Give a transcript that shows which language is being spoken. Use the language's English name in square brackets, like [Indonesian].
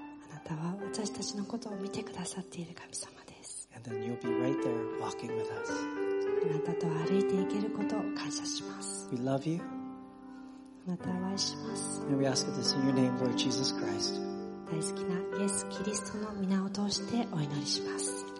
[Japanese] あなたは私たちのことを見てくださっている神様です。 [English] And then you'll be right there walking with us. [Japanese] あなたと歩いていけることを感謝します。 [English] We love you. [Japanese] あなたを愛します。 [English] And we ask this in your name, Lord Jesus Christ. [Japanese] 大好きなイエス・キリストの名を通してお祈りします。